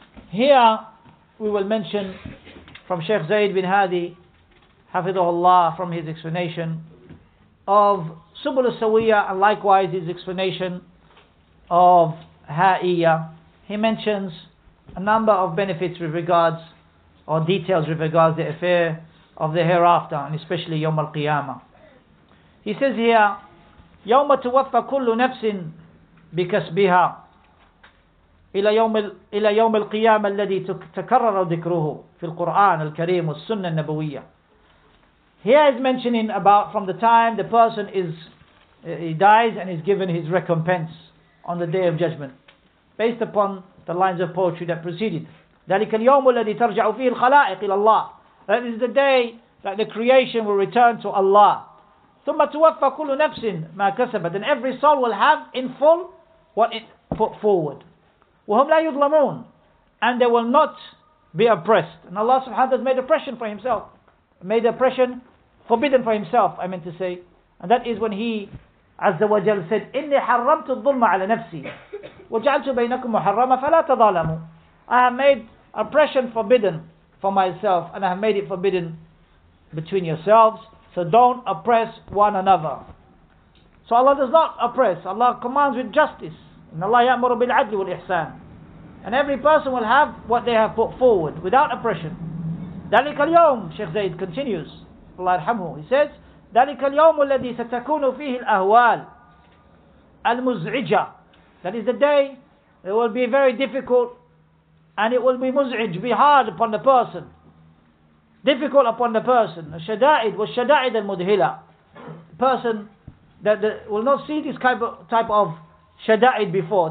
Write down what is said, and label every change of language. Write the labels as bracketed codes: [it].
[en] Here we will mention from Sheikh Zayd bin Hadi, hafidhahullah, from his explanation of Subul al-Sawiyya, and likewise his explanation of Ha'iyya. He mentions a number of benefits with regards, or details with regards, the affair of the hereafter, and especially Yawm al-Qiyamah. He says here, [ar] يَوْمَ تُوَفَّ كُلُّ نَفْسٍ بِكَسْبِهَا إِلَى يَوْمِ الْقِيَامَ الَّذِي تَكَرَّرَ ذِكْرُهُ فِي الْقُرْآنِ الْكَرِيمُ السُنَّةِ النَّبَوِيَّةِ. [en] Here is mentioning about from the time the person is he dies and is given his recompense on the Day of Judgment, based upon the lines of poetry that preceded. [ar] ذَلِكَ الْيَوْمُ الَّذِي تَرْجَعُ فِيهِ الْخَلَائِقِ إِلَى اللَّهِ. [en] That is the day that the creation will return to Allah. [ar] ثُمَّ تُوَفَّ كُلُّ نَفْسٍ مَا كَسَبَتْ. [en] Then every soul will have in full what it put forward. [ar] وَهُمْ لَا يُظْلَمُونَ. [en] And they will not be oppressed. And Allah subhanahu wa ta'ala has made oppression for himself. Made oppression forbidden for himself, I meant to say. And that is when he, Azza wa Jal, said, [ar] إِنِّي حَرَّمْتُ الظُّلْمَ عَلَى نَفْسِي وَجَعَلْتُ بَيْنَكُمْ مُحَرَّمَ فَلَا تَظَالَمُوا. [en] I have made oppression forbidden for myself, and I have made it forbidden between yourselves. So don't oppress one another. So Allah does not oppress. Allah commands with justice. [ar] إِنَّ اللَّهَ يَأْمُرُ بِالْعَدْلِ وَالْإِحْسَانِ. [en] And every person will have what they have put forward without oppression. [ar] ذَلِكَ الْيَوْمُ, [en] Sheikh Zayd continues, Allah arhamhu, he says, [ar] ذَلِكَ الْيَوْمُ الَّذِي سَتَكُونُ فِيهِ الْأَهْوَالِ الْمُزْعِجَةِ. [en] That is the day it will be very difficult, and it will be muz'ij, be hard upon the person. Difficult upon the person. [ar] الشَّدَائِد وَالشَّدَائِد الْمُدْهِلَ. [en] The person that will not see this type of shada'id before.